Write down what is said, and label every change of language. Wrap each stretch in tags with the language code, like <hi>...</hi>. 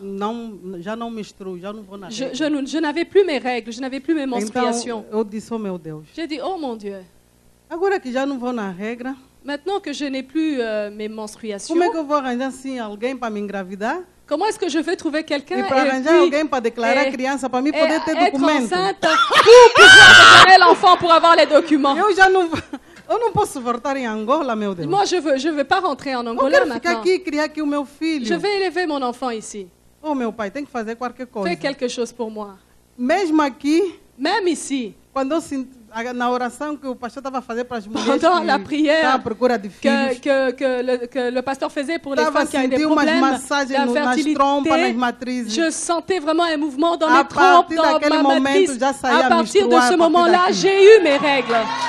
<pt>Não, já não menstruo, já não vou na regra.</pt> <fr>Je n'avais plus mes règles, je n'avais plus mes menstruations.</fr> <pt>Então, eu disse, oh meu Deus.</pt> <fr>J'ai dit, oh mon Dieu.</fr> <pt>Agora que já não vou na regra.</pt> <fr>Maintenant que je n'ai plus mes menstruations.</fr> <pt>Como é que eu vou arranjar assim alguém para me engravidar?</pt> <fr>Comment est-ce que je vais trouver quelqu'un et puis</fr> <pt>alguém para declarar criança para mim poder ter documento?</pt> <fr>Être enceinte pour pouvoir déclarer l'enfant pour avoir les documents.</fr> <pt>Eu já não, eu não posso voltar em Angola, meu Deus.</pt> <fr>Moi je veux pas rentrer en Angola maintenant.</fr> <pt>Eu quero ficar aqui e criar aqui o meu filho.</pt> <fr>Je vais élever mon enfant ici.</fr> <pt>Oh meu pai, tem que fazer qualquer coisa.</pt> <fr>Fais quelque chose pour moi.</fr> <pt>Mesmo aqui.</pt> <fr>Même ici.</fr> <pt>Quando eu na oração que o pastor estava a fazer para as mulheres.</pt> <fr>Pendant la prière.</fr> <pt>À procura de filhos.</pt> <fr>Que le pasteur faisait pour les femmes qui avaient des problèmes.</fr> <pt>Estava a sentir umas massagens nas trompas, nas matrizes.</pt> <fr>Je sentais vraiment un mouvement dans les trompes, dans ma matrice. À partir de ce moment-là, j'ai eu mes règles.</fr>